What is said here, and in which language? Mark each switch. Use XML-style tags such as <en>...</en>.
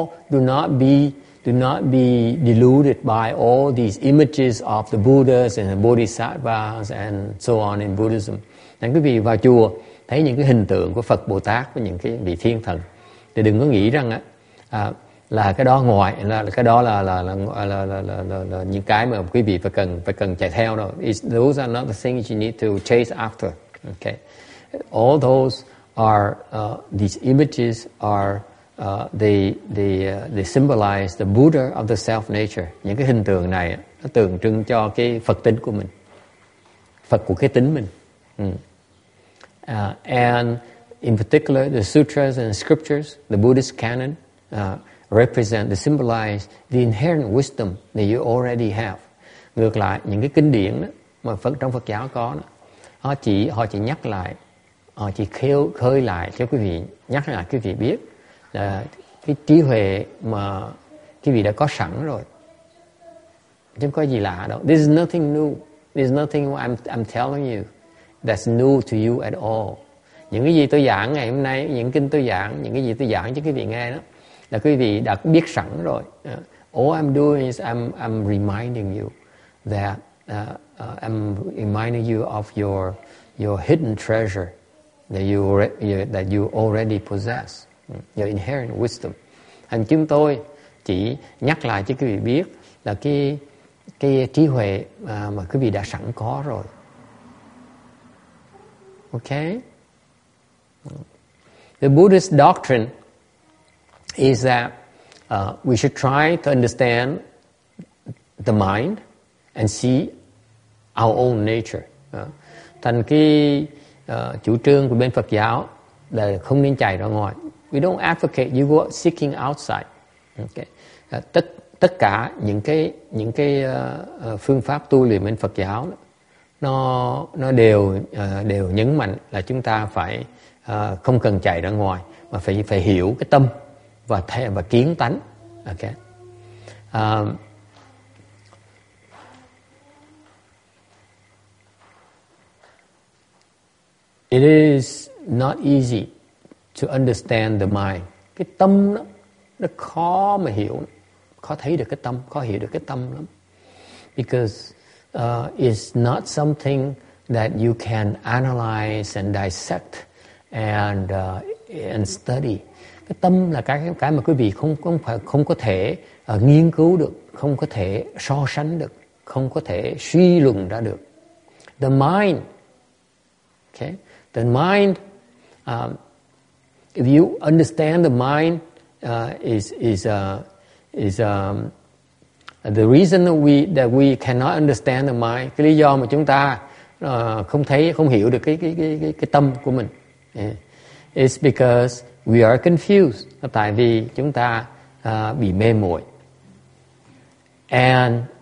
<en>Do not be deluded by all these images of the Buddhas and the Bodhisattvas and so on in Buddhism.</en> <vi>Nên quý vị vào chùa thấy những cái hình tượng của Phật, Bồ Tát và những cái vị thiên thần thì đừng có nghĩ rằng là cái đó ngoài là cái đó là những cái mà quý vị phải cần chạy theo đâu.</vi> <en>Those are not the things you need to chase after. Okay. All those are these images are they symbolize the Buddha of the self nature.</en> <vi>Những cái hình tượng này nó tượng trưng cho cái Phật tính của mình, Phật của cái tính mình.</vi> <en>And in particular, the sutras and scriptures, the Buddhist canon, represent, they symbolize the inherent wisdom that you already have.</en> <vi>Ngược lại, những cái kinh điển đó, mà trong Phật giáo có, đó, họ chỉ nhắc lại, họ chỉ khơi lại cho quý vị, nhắc lại quý vị biết là cái trí huệ mà quý vị đã có sẵn rồi. Chứ không có gì lạ đâu.</vi> <en>This is nothing new. This is nothing I'm telling you that's new to you at all.</en> <vi>Những cái gì tôi giảng ngày hôm nay, những kinh tôi giảng, những cái gì tôi giảng cho quý vị nghe đó, là quý vị đã biết sẵn rồi.</vi> <en>All I'm doing is I'm reminding you that I'm reminding you of your hidden treasure that you already possess, your inherent wisdom. And</en> <vi>chúng tôi chỉ nhắc lại cho quý vị biết là cái trí huệ mà quý vị đã sẵn có rồi. Ok.</vi> <en>The Buddhist doctrine is that we should try to understand the mind and see our own nature.</en> <vi>Thành cái chủ trương của bên Phật giáo là không nên chạy ra ngoài.</vi> <en>We don't advocate you go seeking outside.</en> <vi>Okay. Tất cả những cái phương pháp tu luyện bên Phật giáo nó đều đều nhấn mạnh là chúng ta phải không cần chạy ra ngoài mà phải hiểu cái tâm và kiến tánh. Okay.</vi> <en>It is not easy to understand the mind.</en> <vi>Cái tâm đó, nó khó mà hiểu, khó thấy được cái tâm, khó hiểu được cái tâm lắm.</vi> <en>Because it's not something that you can analyze and dissect and study.</en> <vi>Cái tâm là cái mà quý vị không có thể nghiên cứu được, không có thể so sánh được, không có thể suy luận ra được.</vi> <en>The mind, okay? The mind, if you understand the mind, the reason that we cannot understand the mind,</en> <vi>cái lý do mà chúng ta không thấy, không hiểu được cái tâm của mình,</vi> <en>yeah, is because we are confused,</en> <vi>tại vì chúng ta bị mê muội,</vi> <en>and</en>